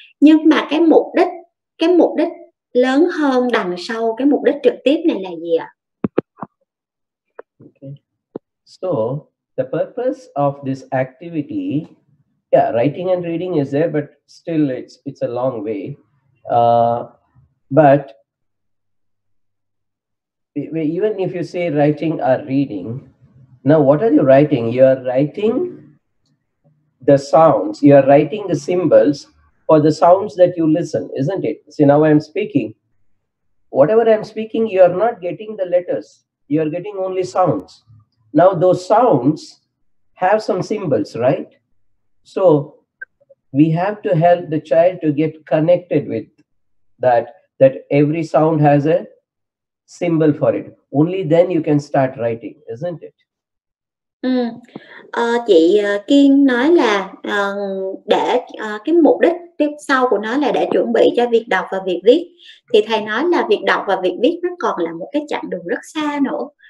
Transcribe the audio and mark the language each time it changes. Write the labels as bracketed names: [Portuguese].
[Vietnamese] Nhưng mà cái mục đích lớn hơn đằng sau cái mục đích trực tiếp này là gì ạ? [English] So, the purpose of this activity, yeah, writing and reading is there, but still it's a long way. But even if you say writing or reading, now what are you writing? You are writing the sounds, you are writing the symbols for the sounds that you listen, isn't it? See, now I'm speaking. Whatever I'm speaking, you are not getting the letters. You are getting only sounds. Now, those sounds have some symbols, right? So, we have to help the child to get connected with that every sound has a symbol for it. Only then you can start writing, isn't it? [Vietnamese] Chị Kiên nói là để cái mục đích tiếp sau của nó là để chuẩn bị cho việc đọc và việc viết. Thì thầy nói là việc đọc và việc viết nó còn là một cái chặng đường rất xa nữa.